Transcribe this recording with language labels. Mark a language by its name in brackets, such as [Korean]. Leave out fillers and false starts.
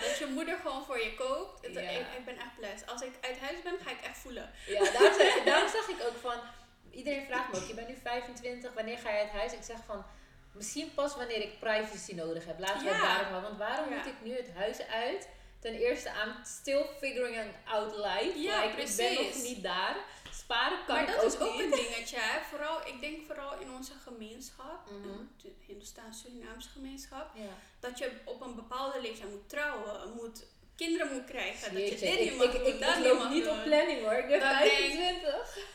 [Dutch] Dat je moeder gewoon voor je kookt. Yeah. Ik ben echt blij. Als ik uit huis ben, ga ik echt voelen. Ja, daarom zeg ik ook van, iedereen vraagt me ook, je bent nu 25, wanneer ga je uit huis? Ik zeg van, misschien pas wanneer ik privacy nodig heb. Laten we het daarom houden. Want waarom moet ik nu het huis uit? Ten eerste, [English] I'm still figuring out life. [Dutch] Ja, like, precies. Ik ben nog niet daar. Sparen kan maar ik ook niet. Maar dat is ook niet. Een dingetje. Hè? Vooral, ik denk vooral in onze gemeenschap. Mm-hmm. Hindoestaans-Surinaams gemeenschap. [English] Yeah. [Dutch] Dat je op een bepaalde leeftijd moet trouwen. Moet kinderen moet krijgen. Jeetje, dat je dit niet mag doen. Ik loop niet op planning hoor. Ik ben 25.